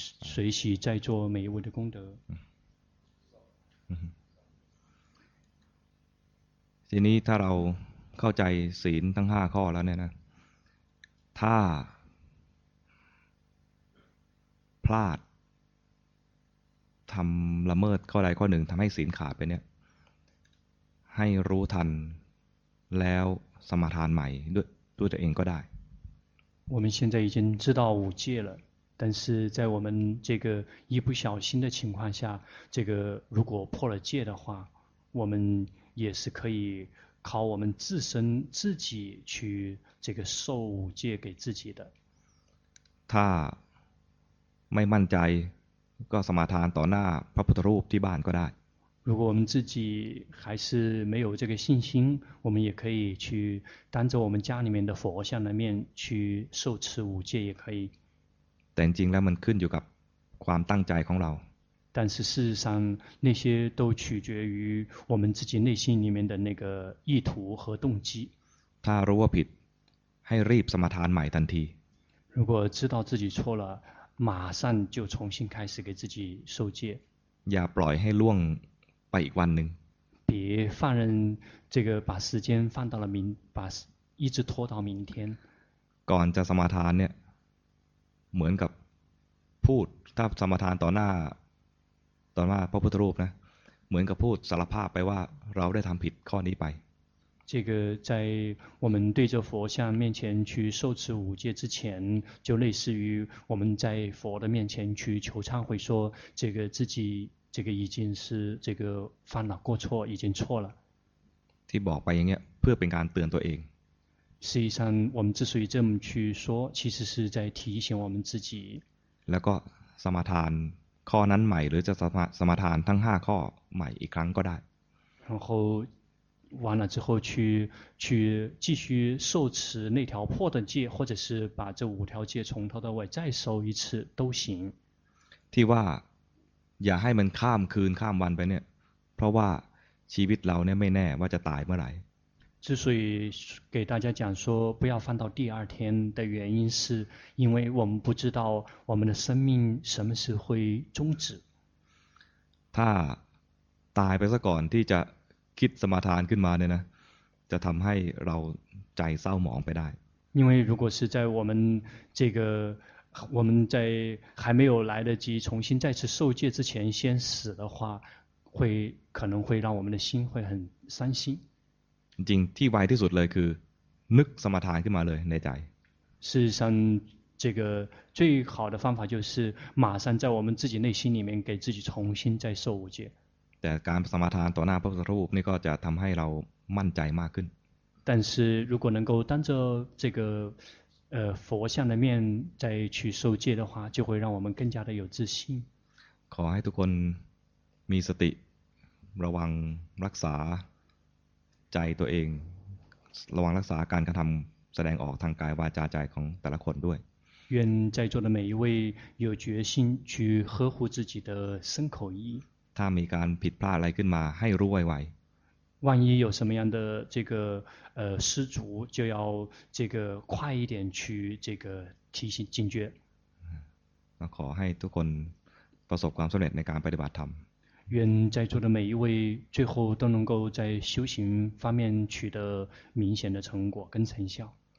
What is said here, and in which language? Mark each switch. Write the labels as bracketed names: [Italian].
[Chinese] 随喜在做每一位的功德 [Thai] ทีนี้ถ้าเราเข้าใจศีลทั้ง5ข้อแล้วเนี่ยนะถ้าพลาดทำละเมิดข้อใดข้อหนึ่งทำให้ศีลขาดไปเนี่ยให้รู้ทันแล้วสมาทานใหม่ด้วยตัวเองก็ได้ [Chinese] 我们现在已经知道五戒了但是在我们这个一不小心的情况下这个如果破了戒的话我们也是可以靠我们自身自己去这个受五戒给自己的 [Thai] ถ้าไม่มั่นใจก็สมาทานต่อหน้าพระพุทธรูปที่บ้านก็ได้ [Chinese] 如果我们自己还是没有这个信心我们也可以去当着我们家里面的佛像的面去受持五戒也可以 [Thai] แต่จริงแล้วมันขึ้นอยู่กับความตั้งใจของเรา [Chinese] 但是事实上那些都取决于我们自己内心里面的那个意图和动机 [Thai] ถ้ารู้ว่าผิดให้รีบสมาทานใหม่ทันที [Chinese] 如果知道自己错了马上就重新开始给自己受戒 [Thai] อย่าปล่อยให้ล่วงไปอีกวันหนึ่ง [Chinese] 别放任这个把时间放到了明把一直拖到明天 [Thai] ก่อนจะสมาทานเนี่ยเหมือนกับพูดถ้าสมาทานต่อหน้าพระพุทธรูปนะเหมือนกับพูดสารภาพไปว่าเราได้ทำผิดข้อนี้ไป [Chinese] 这个在我们对着佛像面前去受持五戒之前就类似于我们在佛的面前去求忏悔说这个自己这个已经是这个犯了过错已经错了 [Thai] ที่บอกไปอย่างเงี้ยเพื่อเป็นการเตือนตัวเอง [Chinese] 实际上我们之所以这么去说其实是在提醒我们自己 [Thai] แล้วก็สมาทานข้อนั้นใหม่หรือจะสมาทานทั้ง5ข้อใหม่อีกครั้งก็ได้ [Chinese] 然后完了之后去继续受持那条破的戒或者是把这五条戒从头到尾再受一次都行 [Thai] ที่ว่าอย่าให้มันข้ามคืนข้ามวันไปเนี่ยเพราะว่า ชีวิตเราเนี่ยไม่แน่ว่าจะตายเมื่อไหร่ [Chinese] 之所以给大家讲说不要放到第二天的原因是因为我们不知道我们的生命什么时候会终止 [Thai] ถ้าตายไปซะก่อนที่จะคิดสมาทานขึ้นมาเนี่ยนะจะทำให้เราใจเศร้าหมองไปได้ [Chinese] 因为如果是在我们这个我们在还没有来得及重新再次受戒之前先死的话会可能会让我们的心会很伤心 [Thai] จริงที่ไวที่สุดเลยคือนึกสมาทานขึ้นมาเลยในใจ [Chinese] 事实上这个最好的方法就是马上在我们自己内心里面给自己重新再受五戒 [Thai] แต่การสมาทานต่อหน้าพระพุทธรูปนี่ก็จะทำให้เรามั่นใจมากขึ้น [Chinese] 但是如果能够当着这个佛像的面再去受戒的话就会让我们更加的有自信 [Thai] ขอให้ทุกคนมีสติระวังรักษาใจตัวเองระวังรักษาการกระทำแสดงออกทางกายวาจาใจของแต่ละคนด้วย [Chinese] 愿在座的每一位有决心去呵护自己的身口意 [Thai] ถ้ามีการผิดพลาดอะไรขึ้นมาให้รู้ไวไว [Chinese] 万一有什么样的这个失足就要这个快一点去这个提醒警觉 [Thai] ขอให้ทุกคนประสบความสำเร็จในการปฏิบัติธรรม [Chinese] 愿在座的每一位最后都能够在修行方面取得明显的成果跟成效。